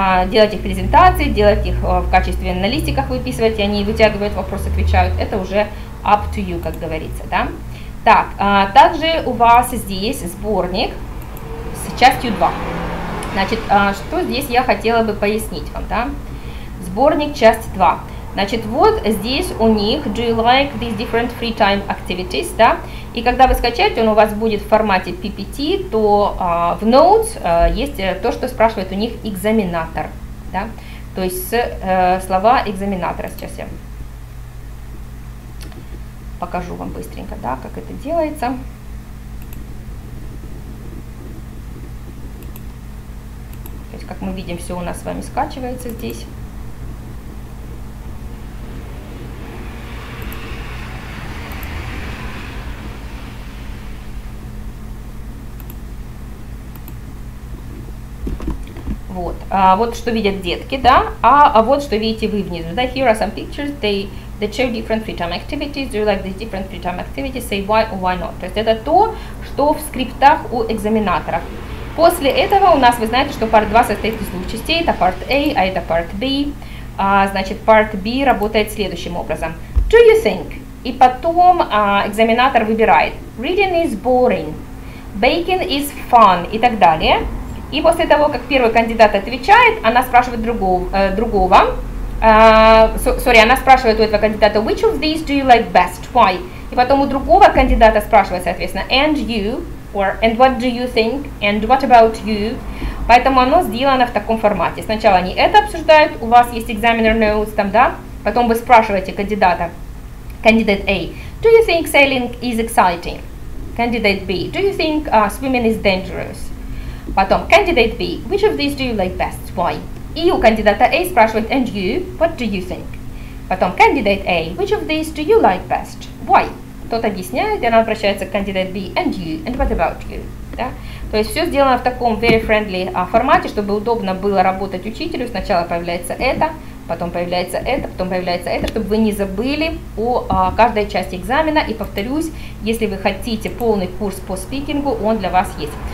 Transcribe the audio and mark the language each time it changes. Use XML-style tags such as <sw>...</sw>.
<ru>Делать их презентации, делать их в качестве аналитиков выписывать, и они вытягивают вопросы, отвечают. Это уже</ru> <en>up to you,</en> <ru>как говорится, да? Так, также у вас здесь сборник с частью 2. Значит, что здесь я хотела бы пояснить вам, да? Сборник часть 2. Значит, вот здесь у них</ru> <en>do you like these different free time activities,</en> <ru>да? И когда вы скачаете, он у вас будет в формате PPT, то в notes есть то, что спрашивает у них экзаменатор, да? То есть слова экзаменатора. Сейчас я покажу вам быстренько, да, как это делается. То есть, как мы видим, все у нас с вами скачивается здесь. Вот, вот что видят детки, да, а вот что видите вы внизу.</ru> <en>Да, here are some pictures, they show different free time activities. Do you like these different free time activities? Say why or why not.</en> <ru>То есть это то, что в скриптах у экзаменаторов. После этого у нас, вы знаете, что part 2 состоит из двух частей. Это part A, а это part B. Значит, part B работает следующим образом.</ru> <en>Do you think?</en> <ru>И потом экзаменатор выбирает.</ru> <en>Reading is boring. Baking is fun.</en> <ru>И так далее. И после того, как первый кандидат отвечает, она спрашивает другого. Она спрашивает у этого кандидата,</ru> <en>which of these do you like best? Why?</en> <ru>И потом у другого кандидата спрашивает, соответственно,</ru> <en>and you, or and what do you think, and what about you?</en> <ru>Поэтому оно сделано в таком формате. Сначала они это обсуждают, у вас есть examiner notes там, да? Потом вы спрашиваете кандидата.</ru> <en>Candidate A, do you think sailing is exciting? Candidate B, do you think swimming is dangerous?</en> <ru>Потом,</ru> <en>candidate B, which of these do you like best, why?</en> <ru>И у кандидата A спрашивает,</ru> <en>and you, what do you think?</en> <ru>Потом,</ru> <en>candidate A, which of these do you like best, why?</en> <ru>Тот объясняет, и она обращается к</ru> <en>candidate B, and you, and what about you?</en> <ru>Да? То есть все сделано в таком</ru> <en>very friendly</en> <ru>формате, чтобы удобно было работать учителю. Сначала появляется это, потом появляется это, потом появляется это, чтобы вы не забыли о каждой части экзамена. И повторюсь, если вы хотите полный курс по спикингу, он для вас есть.</ru>